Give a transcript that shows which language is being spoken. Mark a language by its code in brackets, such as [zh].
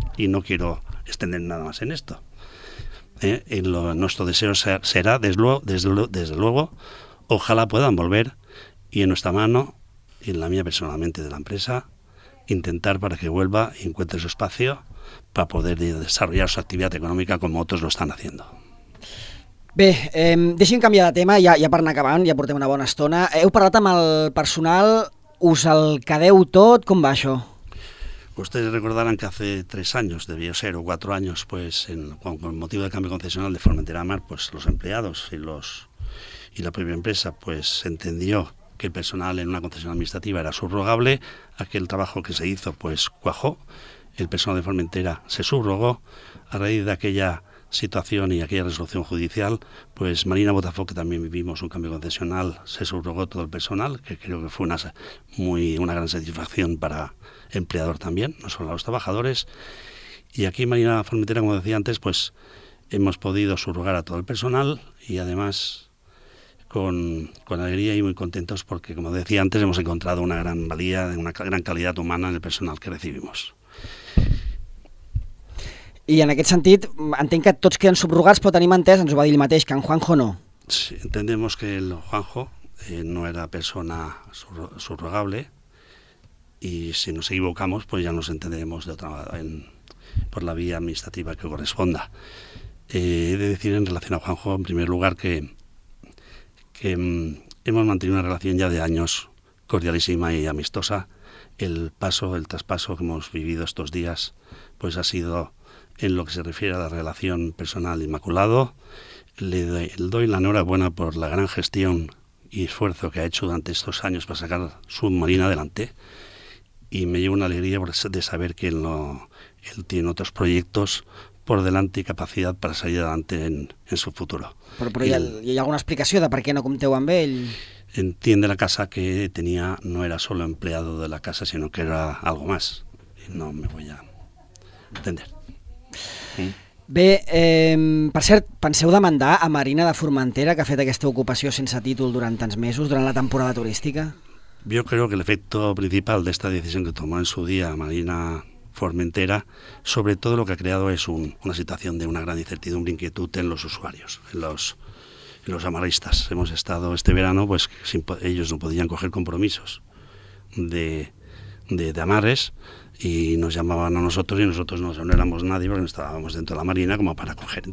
[es] Y no quiero extender nada más en esto. Nuestro deseo será, desde luego, ojalá puedan volver, y en nuestra mano, y en la mía personalmente de la empresa, intentar para que vuelva y encuentre su espacio para poder desarrollar su actividad económica como otros lo están haciendo. [ca] Bé, deixem canviar de tema, ja per anar acabant, ja portem una bona estona. Heu parlat amb el personal, us el quedeu tot, com va això? [es] Ustedes recordarán que hace 3 años, debió ser, o 4 años, pues con motivo del cambio concesional de Formentera Mar, pues los empleados y la propia empresa pues entendió que el personal en una concesión administrativa era subrogable, aquel trabajo que se hizo pues cuajó, el personal de Formentera se subrogó, a raíz de aquella situación y aquella resolución judicial, pues Marina Botafogo, que también vivimos un cambio concesional, se subrogó todo el personal, que creo que fue una gran satisfacción para empleador también, no solo a los trabajadores. Y aquí Marina Formentera, como decía antes, pues hemos podido subrogar a todo el personal y además con alegría y muy contentos porque, como decía antes, hemos encontrado una gran valía, una gran calidad humana en el personal que recibimos. [ca] I en aquest sentit, entenc que tots queden subrogats, però tenim entès, ens ho va dir ell mateix, que en Juanjo no. [es] Sí, entendemos que el Juanjo no era persona subrogable y si nos equivocamos, pues ya nos entenderemos de otra manera, por la vía administrativa que corresponda. He de decir en relación a Juanjo, en primer lugar, que hemos mantenido una relación ya de años cordialísima y amistosa. El traspaso que hemos vivido estos días, pues ha sido en lo que se refiere a la relación personal inmaculado. Le doy la enhorabuena por la gran gestión y esfuerzo que ha hecho durante estos años para sacar su marina adelante. Y me llevo una alegría de saber que él tiene otros proyectos por delante y capacidad para salir adelante en su futuro. [ca] Però hi ha alguna explicació de per què no compteu amb ell? [es] Entiende la casa que tenía, no era solo empleado de la casa, sino que era algo más. No me voy a entender. [ca] Bé, per cert, penseu demandar a Marina de Formentera, que ha fet aquesta ocupació sense títol durant tants mesos, durant la temporada turística? [es] Yo creo que el efecto principal de esta decisión que tomó en su día Marina Formentera, sobre todo lo que ha creado es una situación de una gran incertidumbre e inquietud en los usuarios, en los amarristas. Hemos estado este verano, pues ellos no podían coger compromisos de amarres y nos llamaban a nosotros y nosotros no éramos nadie porque no estábamos dentro de la marina como para coger.